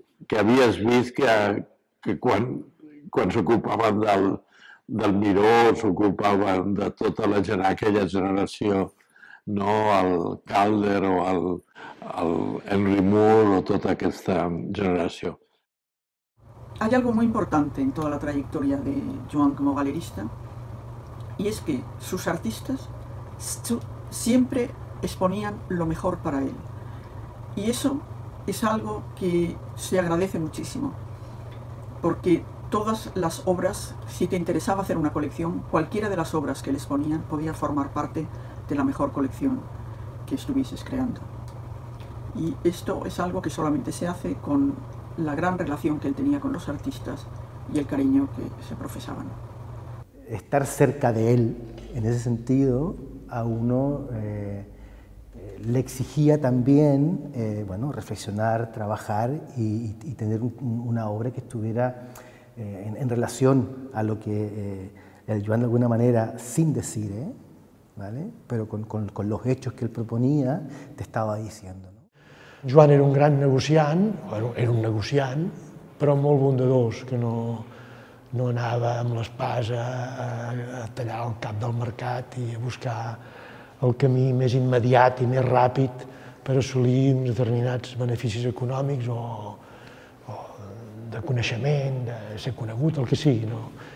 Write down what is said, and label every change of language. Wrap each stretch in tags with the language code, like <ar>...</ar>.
<ca>que havies vist que quan s'ocupaven del Miró, s'ocupaven de tota aquella generació, no el Calder o el Henry Moore o tota aquesta generació.</ca> <es>Hay algo muy importante en toda la trayectoria de Joan como galerista y es que sus artistas siempre exponían lo mejor para él. Y eso es algo que se agradece muchísimo, porque todas las obras, si te interesaba hacer una colección, cualquiera de las obras que les ponían podía formar parte de la mejor colección que estuvieses creando. Y esto es algo que solamente se hace con la gran relación que él tenía con los artistas y el cariño que se profesaban. Estar cerca de él, en ese sentido, a uno le exigía también reflexionar, trabajar y tener una obra que estuviera en relación a lo que Joan de alguna manera, sin decir, ¿vale? Pero con los hechos que él proponía, te estaba diciendo, ¿no?</es> <ca>Joan era un gran negociant, era un negociant, però molt bondadós, que no anava amb l'espasa a tallar el cap del mercat i a buscar el camí més immediat i més ràpid per assolir determinats beneficis econòmics o de coneixement, de ser conegut, el que sigui, no?</ca>